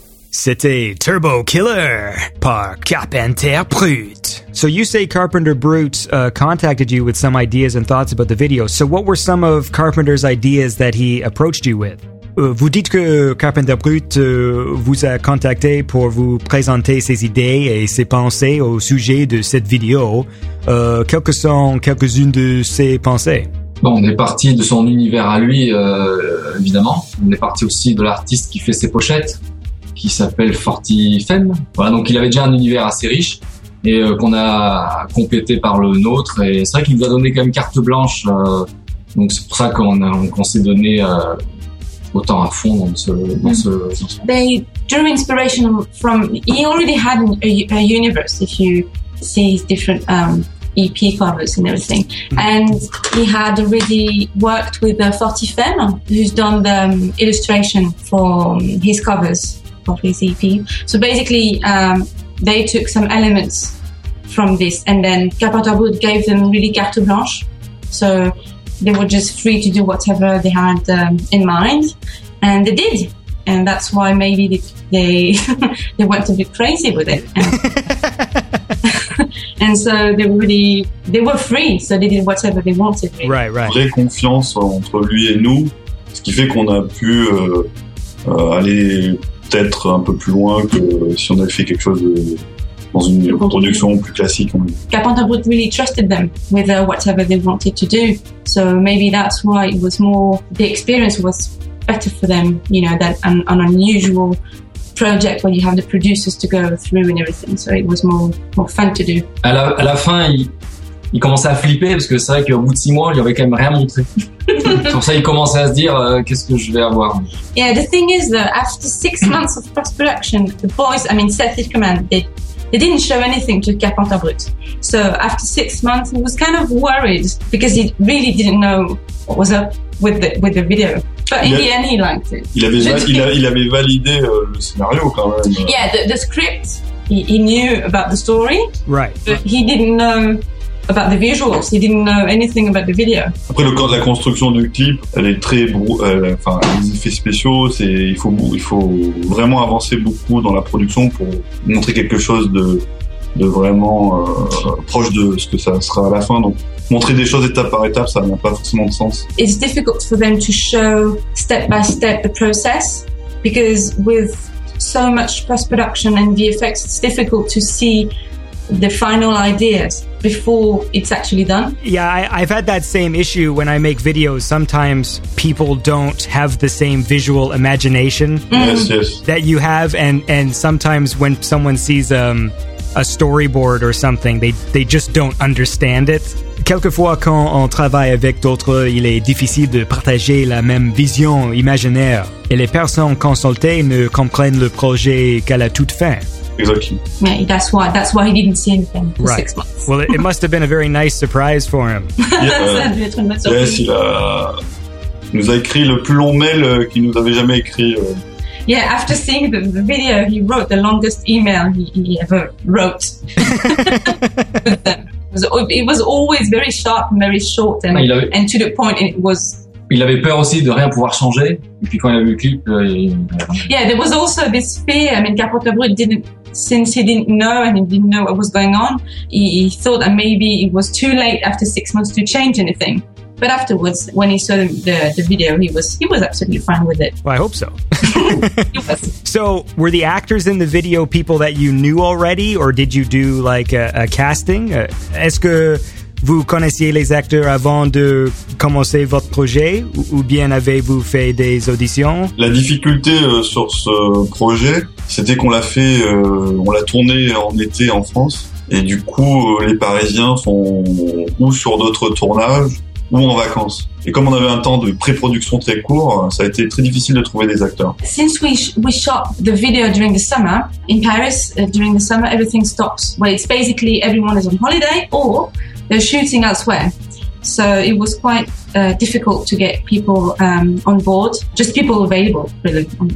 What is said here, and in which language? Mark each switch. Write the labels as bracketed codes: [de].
[fr] C'était Turbo Killer par Carpenter Brut. [en] So you say Carpenter Brut contacted you with some ideas and thoughts about the video. So what were some of Carpenter's ideas that he approached you with? [fr] Vous dites que Carpenter Brut vous a contacté pour vous présenter ses idées et ses pensées au sujet de cette vidéo. Quelles sont quelques-unes de ses pensées? Bon, on est parti de son univers à lui, évidemment. On est parti aussi de l'artiste qui fait ses pochettes, qui s'appelle Forty Femme. Voilà, donc il avait déjà un univers assez riche et qu'on a complété par le nôtre. Et c'est vrai qu'il nous a donné quand même carte blanche. Donc c'est pour ça qu'on s'est donné autant à fond dans ce. [en] They drew inspiration from. He already had a universe. If you see his different EP covers and everything, and he had already worked with Forty Femme, who's done the illustration for his covers of his EP. So basically, they took some elements from this, and then Carpenter Brut gave them really carte blanche. So they were just free to do whatever they had in mind, and they did. And that's why maybe they they went a bit crazy with it. And so they were free, so they did whatever they wanted. Right, right. [fr] Vraie confiance entre lui et nous, ce qui fait qu'on a pu aller peut-être un peu plus loin que si on avait fait quelque chose dans une production plus classique. [en] Carpenter Brut really trusted them with whatever they wanted to do. So maybe that's why it was more, the experience was better for them, you know, than an unusual project where you have the producers to go through and everything. So it was more fun to do. [fr] À la fin, il commençait à flipper parce que c'est vrai qu'au bout de 6 mois, il avait quand même rien montré. Pour ça, il commençait à se dire qu'est-ce que je vais avoir. [en] Yeah, the thing is that after 6 months of post-production, the boys, I mean Seth Hickman, they didn't show anything to Carpenter Brut. So after 6 months, he was kind of worried because he really didn't know what was up with the video. But in the end, he liked it. [fr] Il avait validé le scénario quand même. [en] Yeah, the script, he knew about the story. Right. But he didn't know about the visuals. He didn't know anything about the video. [fr] Après, le corps de la construction du clip, elle est très... les effets spéciaux, il faut vraiment avancer beaucoup dans la production pour montrer quelque chose de vraiment proche de ce que ça sera à la fin. Donc, montrer des choses étape par étape, ça n'a pas forcément de sens. [en] It's difficult for them to show step by step the process because with so much post-production and VFX, it's difficult to see the final ideas before it's actually done. Yeah, I've had that same issue when I make videos. Sometimes people don't have the same visual imagination yes. that you have. And sometimes when someone sees a storyboard or something, they just don't understand it. [fr] Quelquefois, quand on travaille avec d'autres, il est difficile de partager la même vision imaginaire. Et les personnes consultées ne comprennent le projet qu'à la toute fin. [en] Exactly. Yeah, that's why he didn't see anything for right. 6 months. Well, it must have been a very nice surprise for him. [fr] Yes, il a nous a écrit le plus long mail qu'il nous avait jamais écrit. [en] Yeah, after seeing the video, he wrote the longest email he ever wrote. it was always very sharp, and very short, and to the point. It was. [fr] Il avait peur aussi de rien pouvoir changer. Et puis quand il a vu le clip, [en] yeah, there was also this fear. I mean, Carpenter Brut didn't, since he didn't know and he didn't know what was going on, he thought that maybe it was too late after 6 months to change anything. But afterwards, when he saw the video, he was absolutely fine with it. Well, I hope so. So, were the actors in the video people that you knew already, or did you do like a casting? [fr] Est-ce que vous connaissiez les acteurs avant de commencer votre projet ou bien avez-vous fait des auditions? La difficulté sur ce projet, c'était qu'on l'a fait, on l'a tourné en été en France et du coup les Parisiens sont ou sur d'autres tournages ou en vacances. Et comme on avait un temps de pré-production très court, ça a été très difficile de trouver des acteurs. [en] Since we shot the video during the summer, in Paris, during the summer, everything stops. Well, it's basically everyone is on holiday or they're shooting elsewhere. So it was quite difficult to get people on board, just people available, really.